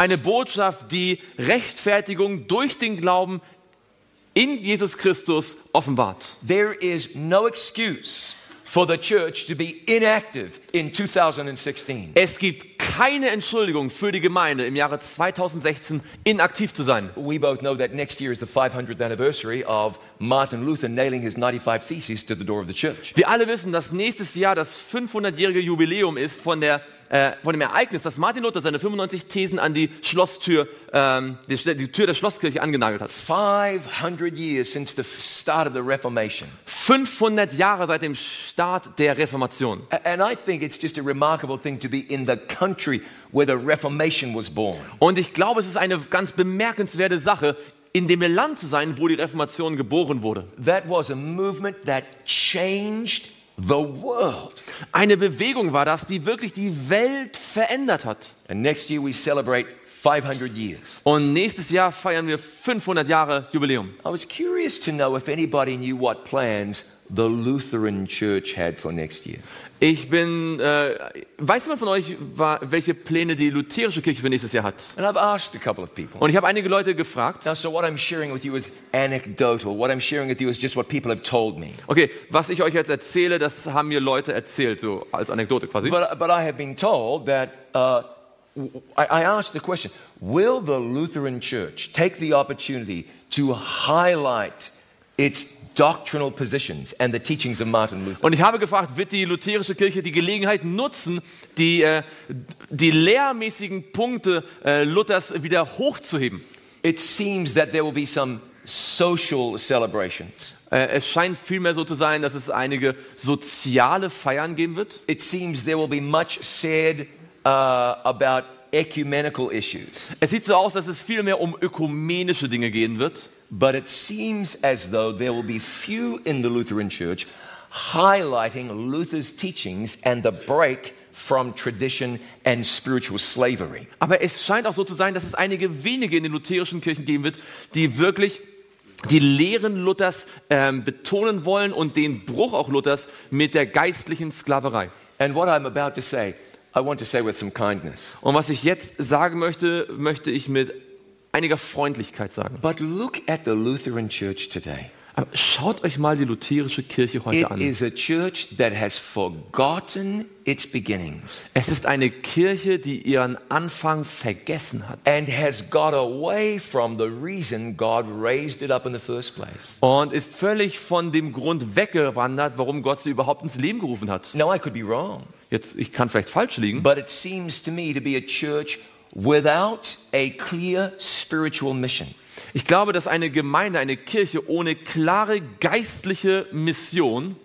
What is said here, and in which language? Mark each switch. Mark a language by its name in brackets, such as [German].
[German] Eine Botschaft, die Rechtfertigung durch den Glauben in Jesus Christus offenbart. [English] There is no excuse for the church to be inactive in 2016. [German] Es gibt keine Entschuldigung für die Gemeinde im Jahre 2016 inaktiv zu sein. [English] We both know that next year is the 500th anniversary of Martin Luther nailing his 95 theses to the door of the church. [German] Wir alle wissen, dass nächstes Jahr das 500-jährige Jubiläum ist von der von dem Ereignis, dass Martin Luther seine 95 Thesen an die Schlosstür die Tür der Schlosskirche angenagelt hat. [English] 500 years since the start of the Reformation. [German] 500 Jahre seit dem Start der Reformation. [English] And I think it's just a remarkable thing to be in the country where the Reformation was born. [German] Und ich glaube, es ist eine ganz bemerkenswerte Sache, in dem Land zu sein, wo die Reformation geboren wurde. [English] That was a movement that changed the world. [German] Eine Bewegung war das, die wirklich die Welt verändert hat. [English] And next year we celebrate 500 years. [German] Und nächstes Jahr feiern wir 500 Jahre Jubiläum. [English] I was curious to know if anybody knew what plans the Lutheran Church had for next year. [German] Ich bin weiß jemand von euch, welche Pläne die lutherische Kirche für nächstes Jahr hat? [English] And I've asked a couple of people. [German] Und ich habe einige Leute gefragt. [English] Now, so what I'm sharing with you is anecdotal. What I'm sharing with you is just what people have told me. [German] Okay, was ich euch jetzt erzähle, das haben mir Leute erzählt, so als Anekdote quasi. [English] But I have been told that I asked the question, will the Lutheran Church take the opportunity to highlight its doctrinal positions and the teachings of Martin Luther? [German] Und ich habe gefragt, wird die lutherische Kirche die Gelegenheit nutzen, die lehrmäßigen Punkte Luthers wieder hochzuheben? [English] It seems that there will be some social celebrations. [German] Es scheint vielmehr so zu sein, dass es einige soziale Feiern geben wird. [English] It seems there will be much said about ecumenical issues. [German] Es sieht so aus, dass es vielmehr um ökumenische Dinge gehen wird. [English] But it seems as though there will be few in the Lutheran Church highlighting Luther's teachings and the break from tradition and spiritual slavery. [German] Aber es scheint auch so zu sein, dass es einige wenige in den lutherischen Kirchen geben wird, die wirklich die Lehren Luthers betonen wollen und den Bruch auch Luthers mit der geistlichen Sklaverei. [English] And what I'm about to say, I want to say with some kindness. [German] Und was ich jetzt sagen möchte, möchte ich mit einiger Freundlichkeit sagen. [English] But look at the Lutheran Church today. [German] Aber schaut euch mal die lutherische Kirche heute [English] it [German] an. [English] Is a church that has forgotten its beginnings. [German] Es ist eine Kirche, die ihren Anfang vergessen hat. [English] And has got away from the reason God raised it up in the first place. [German] Und ist völlig von dem Grund weggewandert, warum Gott sie überhaupt ins Leben gerufen hat. [English] Now I could be wrong. [German] Jetzt, ich kann vielleicht falsch liegen. [English] But it seems to me to be a church without a clear spiritual mission. [German] Ich glaube, dass eine Gemeinde, eine Kirche ohne klare geistliche Mission